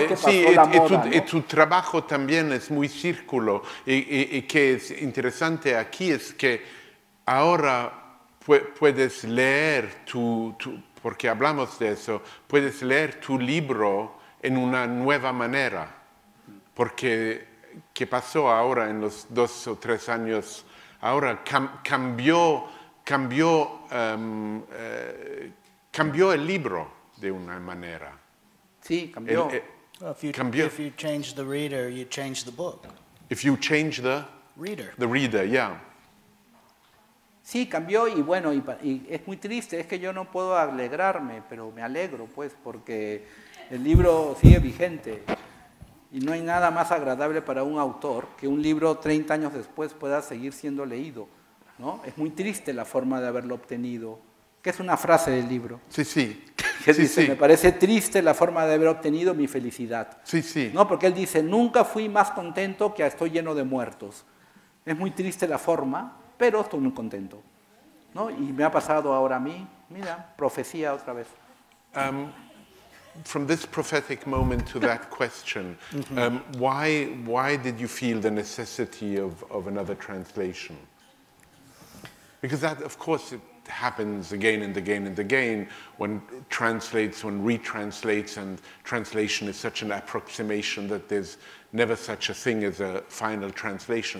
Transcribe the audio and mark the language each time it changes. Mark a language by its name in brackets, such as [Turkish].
[Spanish] y tu trabajo también es muy círculo, y que es interesante aquí es que ahora puedes leer tu porque hablamos de eso, puedes leer tu libro en una nueva manera, porque qué pasó ahora en los 2 o 3 años, ahora cambió el libro de una manera. Sí, cambió. [English] If you change the reader, you change the book. If you change the reader. The reader, yeah. [Spanish] Sí, cambió y bueno, y es muy triste, es que yo no puedo alegrarme, pero me alegro pues porque el libro sigue vigente y no hay nada más agradable para un autor que un libro 30 años después pueda seguir siendo leído, ¿no? Es muy triste la forma de haberlo obtenido, que es una frase del libro. Sí, sí. Que sí, dice, sí. Me parece triste la forma de haber obtenido mi felicidad. Sí, sí. ¿No? Porque él dice, nunca fui más contento que estoy lleno de muertos. Es muy triste la forma, pero estoy muy contento, ¿no? Y me ha pasado ahora a mí, mira, profecía otra vez. [English] From this prophetic moment to that question, why did you feel the necessity of another translation? Because that, of course, it happens again and again and again, one retranslates, and translation is such an approximation that there's never such a thing as a final translation.